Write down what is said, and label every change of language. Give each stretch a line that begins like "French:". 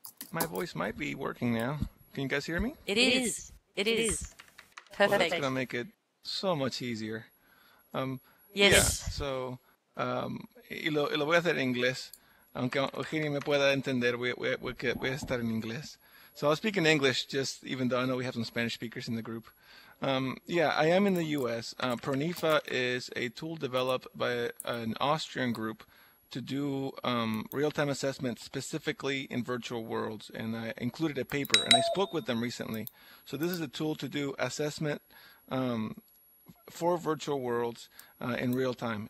English: My voice might be working now. Can you guys hear me? It is. Perfect. Well, that's going to make it so much easier. Yes.
Spanish: Yeah, so, y lo voy a hacer en inglés. Aunque Eugenio me pueda entender, voy a estar en inglés.
English: So I'll speak in English, just even though I know we have some Spanish speakers in the group. I am in the U.S. ProNIFA is a tool developed by an Austrian group to do real-time assessment specifically in virtual worlds. And I included a paper, and I spoke with them recently. So this is a tool to do assessment for virtual worlds in real time.